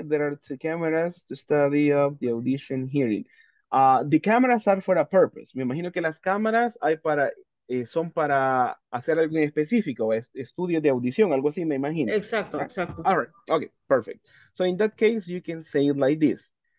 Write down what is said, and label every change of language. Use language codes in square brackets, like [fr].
[en] There are two cameras to study of the audition hearing. The cameras are for a purpose. [es] Me imagino que las cámaras hay para son para hacer algo en específico, estudio de audición, algo así, me imagino. Exacto, [en] right? [es] Exacto. [en] All right, okay, perfect. So in that case, you can say it like this.